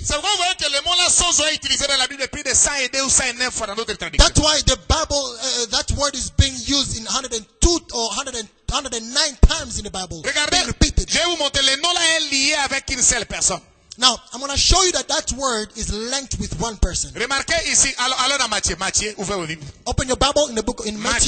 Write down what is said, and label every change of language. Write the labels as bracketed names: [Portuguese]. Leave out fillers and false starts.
[French] C'est pourquoi vous voyez que le mot là sozo est utilisé dans la Bible plus de 102 ou 109 fois dans d'autres traductions. [English] That's why the Bible, that word is being used in 102 or 109 times in the Bible. [French] Regardez, [English] repeated. [French] Je vais vous montrer, le mot là est lié avec une seule personne. [English] Now, I'm going to show you that that word is linked with one person. [French] Remarquez ici, allons dans Matthieu. Matthieu, ouvrez vos livres. [English] Open your Bible in the book in Matthew.